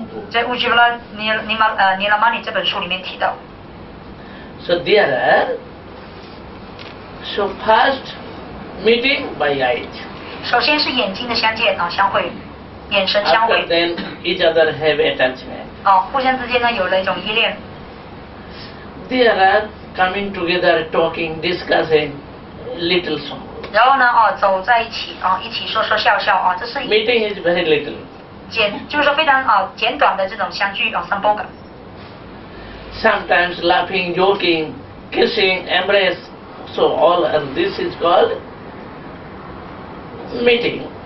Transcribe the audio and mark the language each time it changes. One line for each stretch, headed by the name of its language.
Chinese: 在《乌吉布拉尼玛尼拉玛尼》这本书里面提到。
English: So there are So first meeting by eyes.
Chinese: 首先是眼睛的相见，相会，眼神相会。
English: After then, each other have attachment.
Chinese: 互相之间呢有了一种依恋。
English: They are coming together, talking, discussing little song.
Chinese: 然后呢，走在一起，一起说说笑笑，这是
English: meeting is very little.
Chinese: 就是说非常简短的这种相聚，sambhoga.
English: Sometimes laughing, joking, kissing, embrace. So all and this is called meeting.